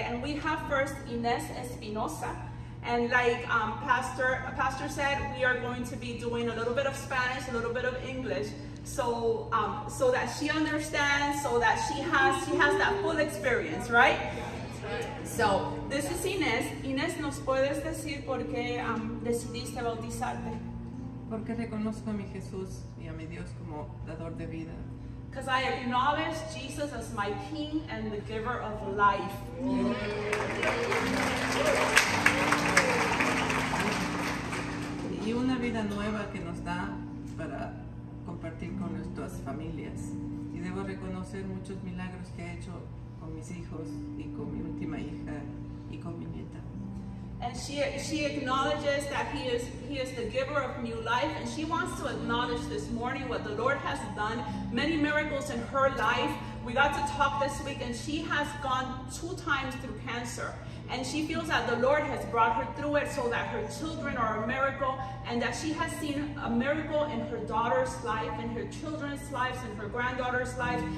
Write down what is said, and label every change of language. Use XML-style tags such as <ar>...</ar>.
<en>And we have first Ines Espinosa. And like Pastor said, we are going to be doing a little bit of Spanish, a little bit of English, so that she understands, so that she has that full experience, right? So, this is Ines.</en> <es>Ines, ¿nos puedes decir por qué decidiste bautizarte? Porque reconozco a mi Jesús y a mi Dios como dador de vida.</es> <en>Because I acknowledge Jesus as my King and the giver of life.</en> <es>Y una vida nueva que nos da para compartir con nuestras familias. Y debo reconocer muchos milagros que ha hecho con mis hijos y con mi última hija y con mi nieta.</es> <en>And she acknowledges that he is the giver of new life, and she wants to acknowledge this morning what the Lord has done, many miracles in her life. We got to talk this week, and she has gone 2 times through cancer, and she feels that the Lord has brought her through it so that her children are a miracle, and that she has seen a miracle in her daughter's life, in her children's lives, in her granddaughter's life.</en>